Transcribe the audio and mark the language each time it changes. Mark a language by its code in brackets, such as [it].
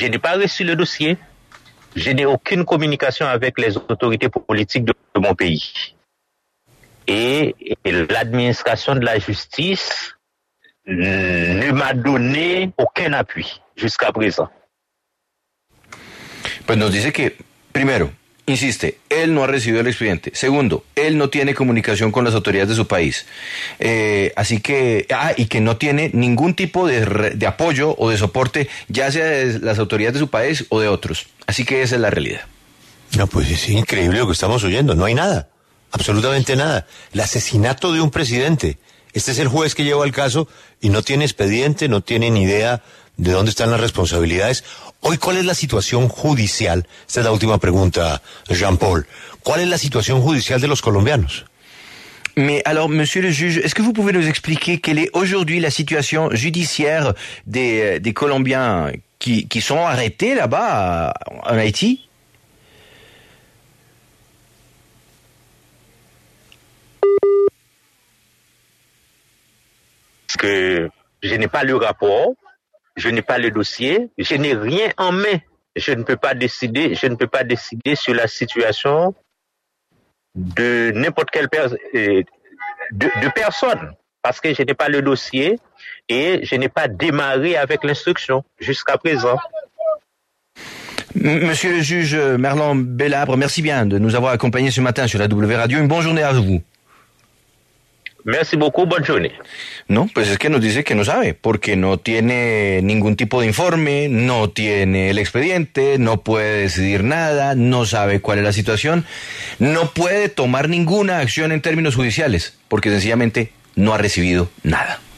[fr] Je n'ai pas reçu le dossier. Je n'ai aucune communication avec les autorités politiques de mon pays. Et l'administration de la justice ne m'a donné aucun appui jusqu'à présent. [es] Pues nos dice que, primero, insiste, él no ha recibido el expediente. Segundo, él no tiene comunicación con las autoridades de su país. Así que, y que no tiene ningún tipo de apoyo o de soporte, ya sea de las autoridades de su país o de otros. Así que esa es la realidad. No, pues es increíble lo que estamos oyendo. No hay nada, absolutamente nada. El asesinato de un presidente. Este es el juez que lleva el caso y no tiene expediente, no tiene ni idea de dónde están las responsabilidades. Hoy, ¿cuál es la situación judicial? Esta es la última pregunta, Jean-Paul. ¿Cuál es la situación judicial de los colombianos? [fr] Mais alors, monsieur le juge, est-ce que vous pouvez nous expliquer quelle est aujourd'hui la situation judiciaire des Colombiens qui sont arrêtés là-bas en Haïti? Que je n'ai pas le rapport. Je n'ai pas le dossier. Je n'ai rien en main. Je ne peux pas décider. Je ne peux pas décider sur la situation de n'importe quelle personne. Parce que je n'ai pas le dossier et je n'ai pas démarré avec l'instruction jusqu'à présent. Monsieur le juge Merlan Bellabre, merci bien de nous avoir accompagnés ce matin sur la W Radio. Une bonne journée à vous. Merci beaucoup, bonne journée. [es] No, pues es que nos dice que no sabe, porque no tiene ningún tipo de informe, no tiene el expediente, no puede decidir nada, no sabe cuál es la situación, no puede tomar ninguna acción en términos judiciales, porque sencillamente no ha recibido nada.